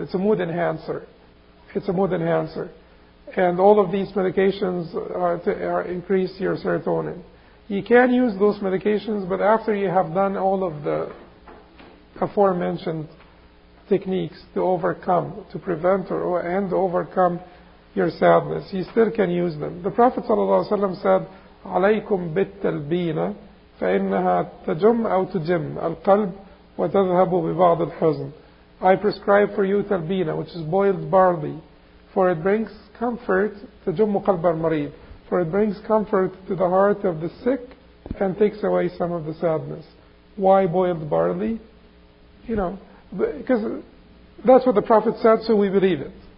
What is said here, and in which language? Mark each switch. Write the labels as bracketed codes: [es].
[en] It's a mood enhancer. And all of these medications increase your serotonin. You can use those medications, but after you have done all of the aforementioned techniques to prevent and overcome your sadness, you still can use them. The Prophet ﷺ said, [ar] عليكم بالتلبينة فإنها تجم أو تجم القلب وتذهب ببعض الحزن. [en] I prescribe for you تلبينة, which is boiled barley, for it brings comfort, [ar] تجم قلب المريض, [en] for it brings comfort to the heart of the sick and takes away some of the sadness. Why boiled barley? You know, because that's what the Prophet said, so we believe it.